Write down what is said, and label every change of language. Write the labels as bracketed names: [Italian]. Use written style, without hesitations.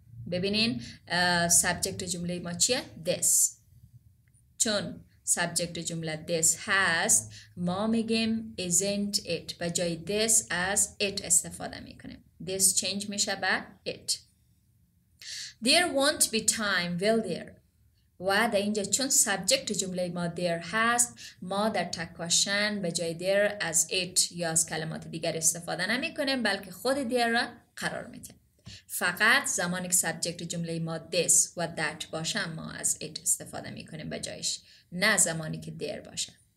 [Persian] ببینین سبجکت جمله ما چیه؟ this. چون سبجکت جمله this هست، ما میگیم [English] isn't it، [Persian] به جای this از it استفاده میکنیم. this چینج میشه به it. [English] There won't be time, will there? [Persian] و در اینجا چون سبجکت جمله ما there هست، ما در تکوشن به جای there از it یا از کلمات دیگر استفاده نمی کنیم، بلکه خود there را قرار می دهیم. فقط زمانی که سبجکت جمله ما this و that باشه ما از it استفاده می کنیم به جایش، نه زمانی که there باشه.